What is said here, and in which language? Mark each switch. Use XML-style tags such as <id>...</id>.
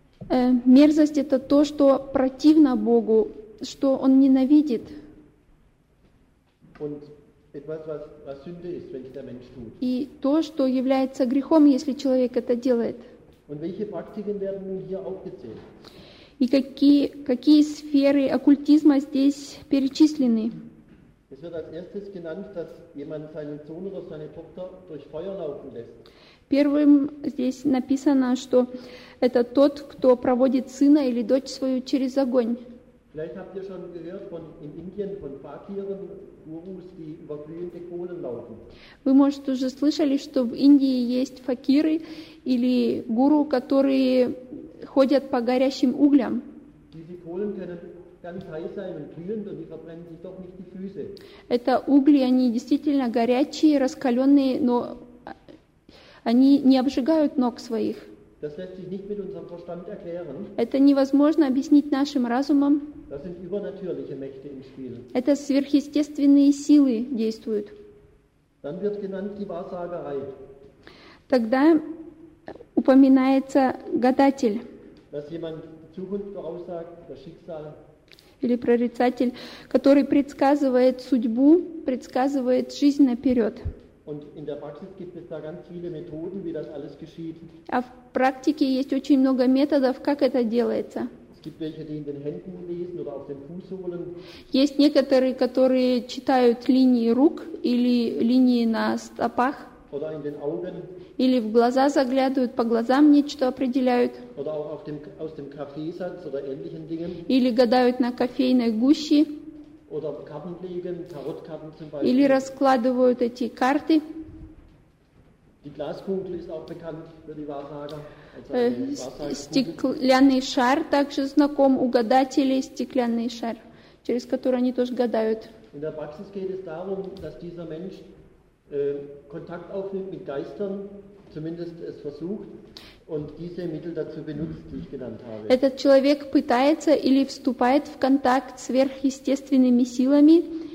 <ru>Мерзость это то, что противно Богу, что он ненавидит.</ru> <de>Und etwas, was Sünde ist, wenn der Mensch tut.</de> <ru>И то, что является грехом, если человек это делает.</ru> <de>Und welche Praktiken werden nun hier aufgezählt?</de> <ru>И какие сферы оккультизма здесь перечислены?</ru> <de>Es wird als erstes genannt, dass jemand seinen Sohn oder seine Tochter durch Feuer laufen lässt.</de> <ru>Первым здесь написано, что это тот, кто проводит сына или дочь свою через огонь.</ru> <de>Vielleicht habt ihr schon gehört von in Indien von Fakiren, Gurus, die über glühende Kohlen laufen.</de> <ru>Вы может уже слышали, что в Индии есть факиры или гуру, которые ходят по горящим углям.</ru> <de>Diese Kohlen können ganz heiß sein und glühend, und die verbrennen sich doch nicht die Füße.</de> <ru>Это угли, они действительно горячие, раскаленные, но они не обжигают ног своих.</ru> <de>Das lässt sich nicht mit unserem Verstand erklären.</de> <ru>Это невозможно объяснить нашим разумом.</ru> <de>Das sind übernatürliche Mächte im Spiel.</de> <ru>Это сверхъестественные силы действуют.</ru> <de>Dann wird genannt die Wahrsagerei.</de> <ru>Тогда упоминается гадатель.</ru> <de>Dass jemand Zukunft voraussagt, das Schicksal.</de> <ru>Или прорицатель, который предсказывает судьбу, предсказывает жизнь наперед.</ru> <de>Und in der Praxis gibt es da ganz viele Methoden, wie das alles geschieht.</de> <ru>А в практике есть очень много методов, как это делается.</ru> <de>Es gibt welche, die in den Händen lesen oder auf den Fußsohlen.</de> <ru>Есть некоторые, которые читают линии рук или линии на стопах.</ru> <de>Oder in den Augen.</de> <ru>Или в глаза заглядывают, по глазам нечто определяют.</ru> <de>Oder auch auf dem, aus dem Kaffeesatz oder ähnlichen Dingen.</de> <ru>Или гадают на кофейной гуще.</ru> <de>Oder Karten legen, Tarotkarten zum Beispiel.</de> <ru>Или раскладывают эти карты.</ru> <de>Die Glaskugel ist auch bekannt für die Wahrsager.</de> <ru>Стеклянный шар также знаком у гадателей, стеклянный шар, через который они тоже гадают.</ru> <de>In der Praxis geht es darum, dass dieser Mensch Kontakt aufnimmt mit Geistern, zumindest es versucht, und diese Mittel dazu benutzt, die ich genannt habe.</de> <ru>Этот человек пытается или вступает в контакт с сверхъестественными силами.</ru>